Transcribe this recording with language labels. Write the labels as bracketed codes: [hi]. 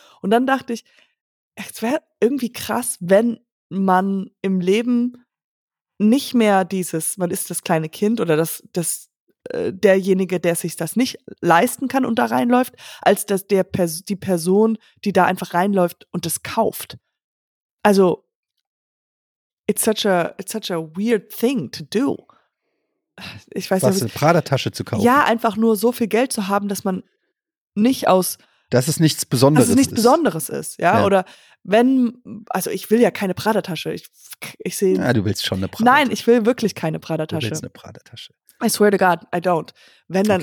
[de] Und dann dachte ich, es wäre irgendwie krass, wenn man im Leben nicht mehr dieses, man ist das kleine Kind oder das derjenige, der sich das nicht leisten kann und da reinläuft, als dass die Person, die da einfach reinläuft und das kauft. [en] Also, it's such a weird thing to do. [de] Ich weiß nicht. Was, eine Prada-Tasche zu kaufen? Ja, einfach nur so viel Geld zu haben, dass man nicht aus. Dass es nichts Besonderes ist. Ja? Oder wenn. Also, ich will ja keine Prada-Tasche. Ich sehe. Ja, du willst schon eine Prada-Tasche. Nein, ich will wirklich keine Prada-Tasche. Du willst eine Prada-Tasche. [en] I swear to God, I don't. [de] Wenn, dann